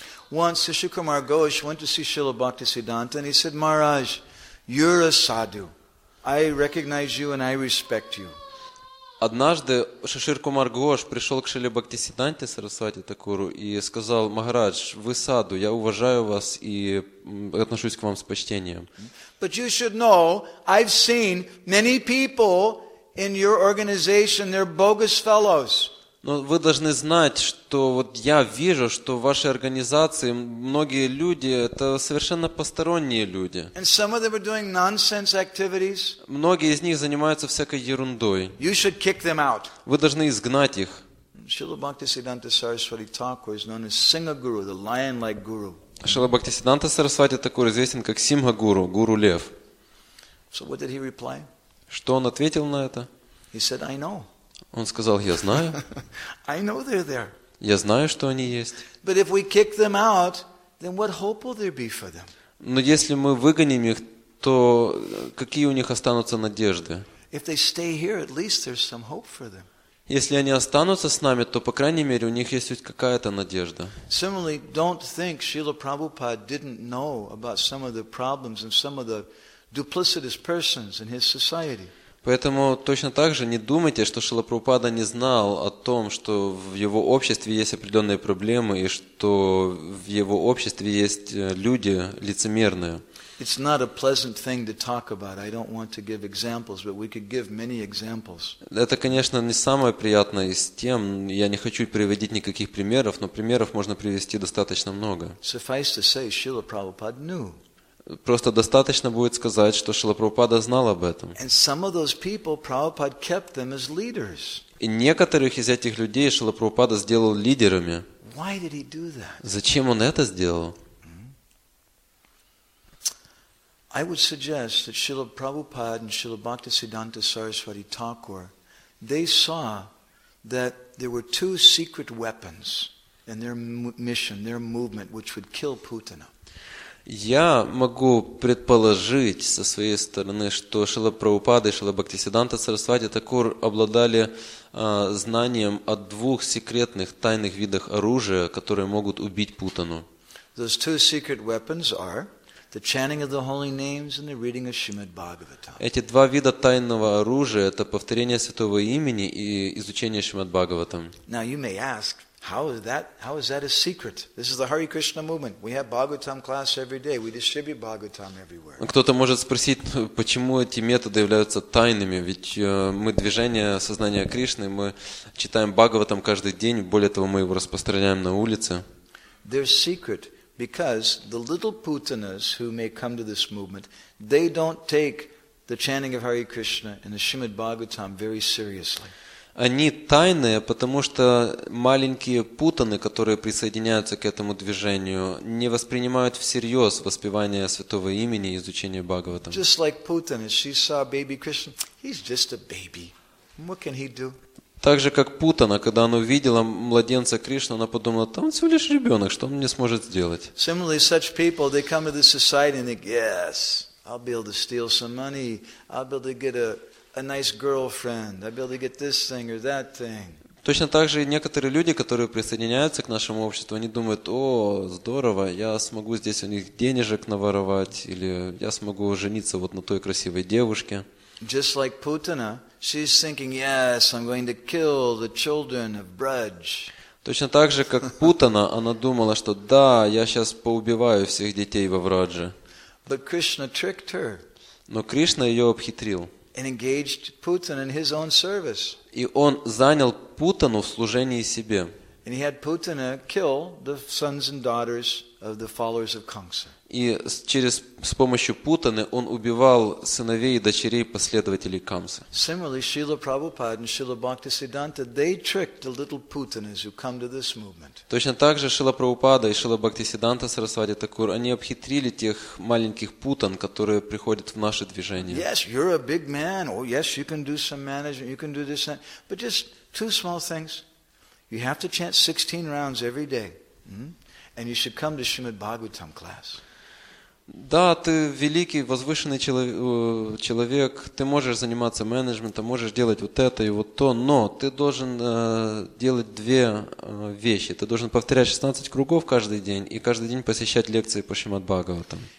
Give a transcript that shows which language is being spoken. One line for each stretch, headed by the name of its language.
English: Once Шишир Кумар Гош went to see Srila Bhaktisiddhanta and he said, Maharaj, you're a sadhu. I recognize you and I respect you.
Russian: Однажды Шишир Кумар Гош пришел к Шриле Бхактисиддханте Сарасвати Такуру и сказал, Махарадж, вы саду, я уважаю вас и отношусь к вам с почтением.
English: But you should know, I've seen many people in your organization, they're bogus fellows.
Russian: Но вы должны знать, что вот я вижу, что в вашей организации многие люди – это совершенно посторонние люди.
English: And some of them are doing nonsense activities.
Russian: Многие из них занимаются всякой ерундой.
English: You should kick them out.
Russian: Вы должны изгнать их.
English: Srila Bhaktisiddhanta Saraswati Thakur is known as Singha Guru, the lion-like guru.
Russian: Шрила Бхактисиддханта Сарасвати Такур известен как Симха Гуру, Гуру Лев.
English: So what did he reply?
Russian: Что он ответил на это?
English: He said, I know.
Russian: Он сказал, я знаю.
English: I know they're there.
Russian: Я знаю, что они есть.
English: But if we kick them out, then what hope will there be for them?
Russian: Но если мы выгоним их, то какие у них останутся надежды?
English: If they stay here, at least there's some hope for them.
Russian: Если они останутся с нами, то по крайней мере у них есть какая-то надежда.
English: Similarly, don't think Srila Prabhupada didn't know about some of the problems and some of the duplicitous persons in his society.
Russian: Поэтому точно так же не думайте, что Шрила Прабхупада не знал о том, что в его обществе есть определенные проблемы и что в его обществе есть люди лицемерные.
English: It's not a pleasant thing to talk about. I don't want to give examples, but we could give many examples.
Russian: Это, конечно, не самое приятное из тем. Я не хочу приводить никаких примеров, но примеров можно привести достаточно много.
English: Suffice to say, Srila Prabhupada knew.
Russian: Просто достаточно будет сказать, что Шрила Прабхупада знал об этом.
English: And some of those people, Prabhupada kept them as leaders.
Russian: И некоторых из этих людей Шрила Прабхупада сделал лидерами.
English: Why did he do that?
Russian: Зачем он это сделал?
English: I would suggest that Srila Prabhupada and Srila Bhaktisiddhanta Saraswati Thakur, they saw that there were two secret weapons in their mission, their movement, which would kill Putana.
Russian: Я могу предположить со своей стороны, что Шрила Прабхупада и Шрила Бхактисиддханта Сарасвати Такур обладали знанием о двух секретных тайных видах оружия, которые могут убить Путану.
English: Those two secret weapons are the chanting of the holy names and the reading of Srimad Bhagavatam.
Russian: Эти два вида тайного оружия – это повторение святого имени и изучение Шримад Бхагаватам.
English: Now you may ask, How is that a secret? This is the Hare Krishna movement. We have Bhagavatam class every day. We distribute Bhagavatam everywhere.
Russian: Кто-то может спросить, почему эти методы являются тайными? Ведь мы движение сознания Кришны, мы читаем Бхагаватам каждый день, более того, мы его распространяем на улице.
English: They're secret because the little Putanas who may come to this movement, they don't take the chanting of Hare Krishna and the Srimad Bhagavatam very seriously.
Russian: Они тайные, потому что маленькие путаны, которые присоединяются к этому движению, не воспринимают всерьез воспевание святого имени и изучение Бхагаватам.
English: Just like Putana, she saw baby Krishna. He's just a baby. What can he do?
Russian: Так же, как Путана, когда она увидела младенца Кришну, она подумала, там всего лишь ребенок, что он мне сможет сделать?
English: Similarly, such people, they come to the society and think, yes, I'll be able to steal some money, I'll be able to get a nice girlfriend, I'll be able to get this thing or that thing.
Russian: Точно так же и некоторые люди, которые присоединяются к нашему обществу, они думают, о, здорово, я смогу здесь у них денежек наворовать, или я смогу жениться вот на той красивой девушке.
English: Just like Putana, she's thinking, yes, I'm going to kill the children of Braj.
Russian: Точно так же, как Путана, она думала, что да, я сейчас поубиваю всех детей во Врадже.
English: But Krishna tricked her.
Russian: Но Кришна ее обхитрил.
English: And engaged Putana in his own service.
Russian: И он занял Путану в служении себе.
English: And he had Putana kill the sons and daughters of the followers of Kamsa.
Russian: И через с помощью Путаны он убивал сыновей и дочерей последователей Камсы.
English: Similarly, Srila Prabhupada and Srila Bhaktisiddhanta, they tricked the little Putanas who come to this movement.
Russian: Точно так же Шрила Прабхупада и Шрила Бхактисиддханта Сарасвати Такур, они обхитрили тех маленьких путан, которые приходят в наше движение.
English: Yes, you're a big man. Oh, yes, you can do some management, you can do this. But just two small things. You have to chant 16 rounds every day. And you should come to Srimad Bhagavatam class.
Russian: Да, ты великий, возвышенный человек, ты можешь заниматься менеджментом, можешь делать вот это и вот то, но ты должен делать две вещи. Ты должен повторять 16 кругов каждый день и каждый день посещать лекции по Шримад Бхагаватам.